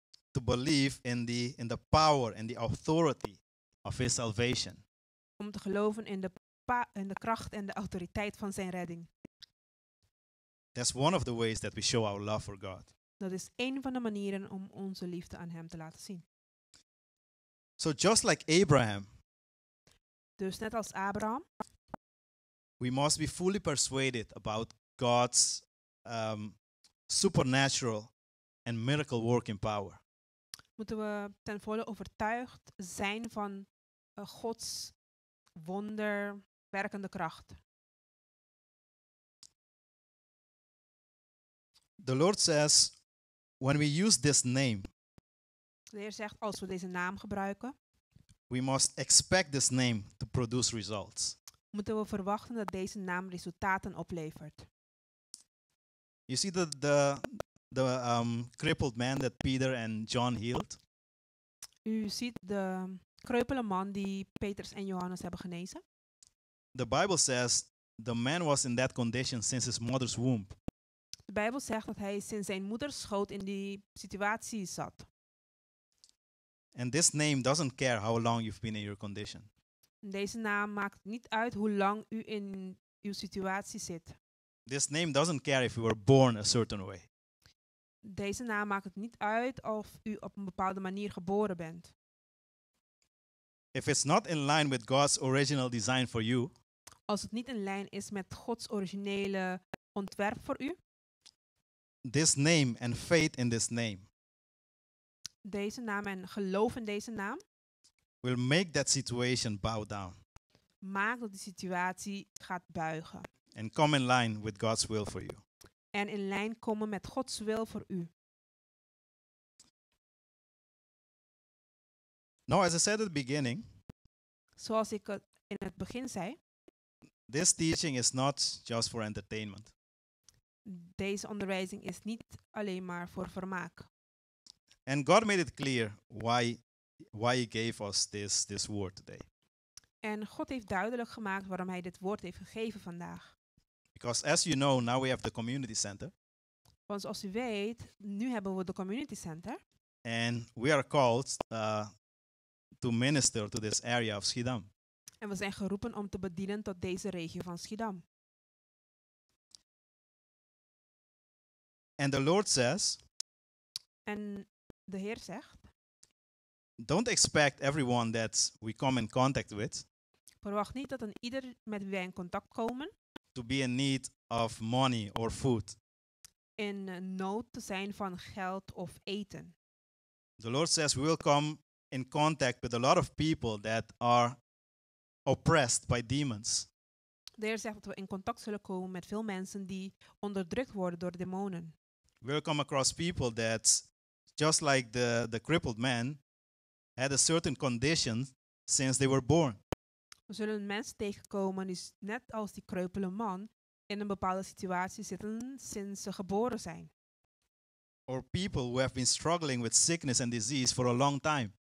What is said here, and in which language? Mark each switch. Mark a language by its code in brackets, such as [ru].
[en] To believe in the power and the authority of his salvation. [nl] Om te geloven in de kracht en de autoriteit van zijn redding. [en] That's one of the ways that we show our love for God. [nl] Dat is een van de manieren om onze liefde aan hem te laten zien. [en] So just like Abraham. [nl] Dus net als Abraham. [en] We must be fully persuaded about God's supernatural and miracle working power. [nl] Moeten we ten volle overtuigd zijn van Gods wonderwerkende kracht. [en] The Lord says, when we use this name. [nl] De Heer zegt, als we deze naam gebruiken. [en] We must expect this name to produce results. [nl] moeten we verwachten dat deze naam resultaten oplevert. [en] You see the crippled man that Peter and John healed. [nl] U ziet de kreupele man die Petrus en Johannes hebben genezen. [en] The Bible says the man was in that condition since his mother's womb. [nl] De Bijbel zegt dat hij sinds zijn moeders schoot in die situatie zat. [en] And this name doesn't care how long you've been in your condition. [nl] Deze naam maakt niet uit hoe lang u in uw situatie zit. [en] This name doesn't care if you were born a certain way. [nl] Deze naam maakt het niet uit of u op een bepaalde manier geboren bent. [en] If it's not in line with God's original design for you. [nl] Als het niet in lijn is met Gods originele ontwerp voor u. [en] This name and faith in this name. [nl] Deze naam en geloof in deze naam. [en] Will make that situation bow down. [nl] Maak dat die situatie gaat buigen. [en] And come in line with God's will for you. [nl] En in lijn komen met Gods wil voor u. [en] Now, as I said at the beginning. [nl] Zoals ik het in het begin zei. [en] This teaching is not just for entertainment. [nl] Deze onderwijzing is niet alleen maar voor vermaak. [en] And God made it clear why he gave us this word today. [nl] En God heeft duidelijk gemaakt waarom hij dit woord heeft gegeven vandaag. [en] Because as you know, now we have the community center. [nl] Want zoals u weet, nu hebben we de community center. [en] And we are called to minister to this area of Schiedam. [nl] En we zijn geroepen om te bedienen tot deze regio van Schiedam. [en] And the Lord says. [nl] En de Heer zegt. [en] Don't expect everyone that we come in contact with. [nl] Verwacht niet dat een ieder met wie wij in contact komen. [en] To be in need of money or food. [nl] In nood te zijn van geld of eten. [en] The Lord says we will come in contact with a lot of people that are oppressed by demons. [nl] De Heer zegt dat we in contact zullen komen met veel mensen die onderdrukt worden door demonen. [en] We'll come across people that, just like the crippled man, had a certain condition since they were born. [nl] We zullen mensen tegenkomen die net als die kreupele man in een bepaalde situatie zitten sinds ze geboren zijn. [en] Or people who have been struggling with sickness and disease for a long time.